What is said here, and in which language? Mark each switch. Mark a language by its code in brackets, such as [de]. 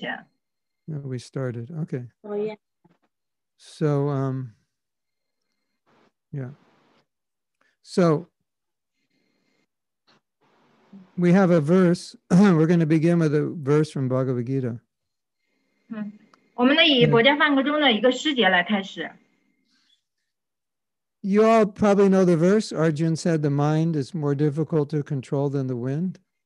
[en] Yeah, we started. Okay. Oh yeah. So yeah. So we have a verse. We're going to begin with a verse from Bhagavad Gita. [zh] 我们以《佛家梵歌》中的一个师节来开始。 [en] You all probably know the verse. Arjun said, "The mind is more difficult to control than the wind."